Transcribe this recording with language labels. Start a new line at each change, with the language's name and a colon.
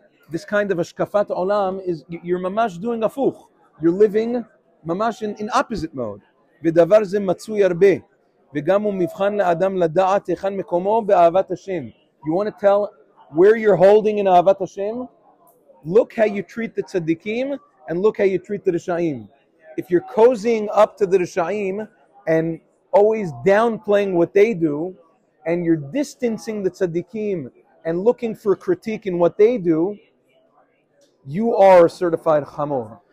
English: This kind of
Hebrew: ashkafat olam
English: is you're mamash doing afukh. You're living ממש in opposite mode.
Hebrew: ודבר זה מצוי הרבה. וגם הוא מבחן לאדם לדעת איכן מקומו באהבת השם.
English: You want to tell where you're holding in אהבת השם? Look how you treat the tzaddikim and look how you treat the רשעים. if you're cozying up to the Rishaim and always downplaying what they do, and you're distancing the tzaddikim and looking for critique in what they do, you are a certified chamor.